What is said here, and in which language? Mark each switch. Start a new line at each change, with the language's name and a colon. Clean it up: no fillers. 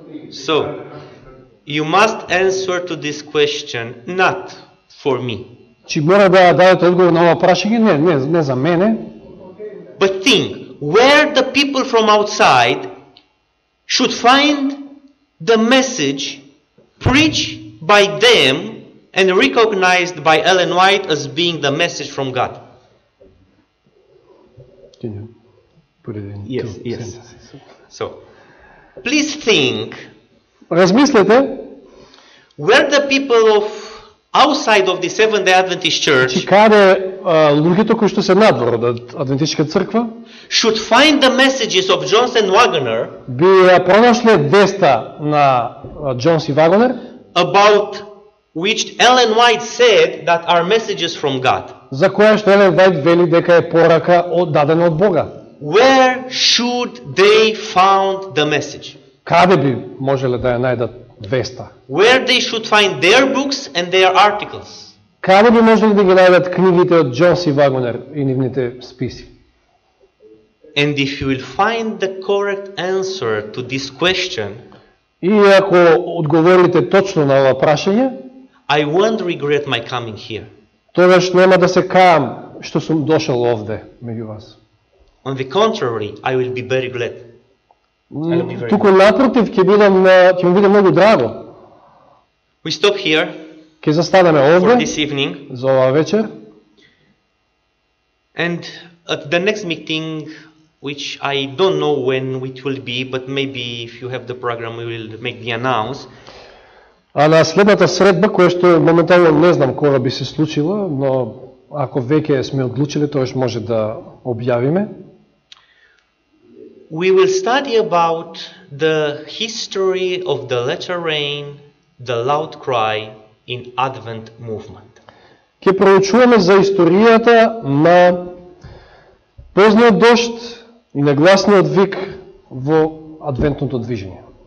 English: So, you must answer to this question, not for me.
Macedonian: Чи мора да дадете одговор на ова прашање? Не, не, не за мене.
English: But think, where the people from outside should find the message preached by them and recognized by Ellen White as being the message from God? Can you put it in yes, two yes. sentences? So, please think,
Macedonian: размислете,
English: where the people of outside of the Seventh-day Adventist Church,
Macedonian: каде луѓето кои што се надвор од адвентистичка црква,
English: should find the messages of Jones and Wagner,
Macedonian: би пронашле веста на Джонс и Вагонер,
English: about which Ellen White said that are messages from God.
Macedonian: За која што Елен Вајт вели дека е порака дадена од Бога.
English: Where should they found the message?
Macedonian: Каде би можеле да ја најдат веста?
English: Where they should find their books and their articles?
Macedonian: Каде би можеле да ги најдат книгите од Джонс и Вагонер и нивните списи?
English: And if you will find the correct answer to this question,
Macedonian: и ако одговорите точно на ова прашање,
English: I won't regret my coming here.
Macedonian: Тогаш нема да се каам што сум дошел овде меѓу вас.
English: On the contrary, I will be very glad.
Macedonian: Туку напротив, ќе ми биде многу драго.
English: We stop here.
Macedonian: Ќе застанеме овде
English: this evening.
Macedonian: За оваа вечер.
English: And at the next meeting, which I don't know when it will be, but maybe if you have the program, we will make the announce.
Macedonian: А на следната средба, која што моментално не знам кога би се случила, но ако веќе сме одлучили, тоа ќе може да објавиме.
English: We will study about the history of the latter rain, the loud cry in Advent movement.
Macedonian: Ќе проучуваме за историјата на позниот дожд и на гласниот вик во адвентното движење.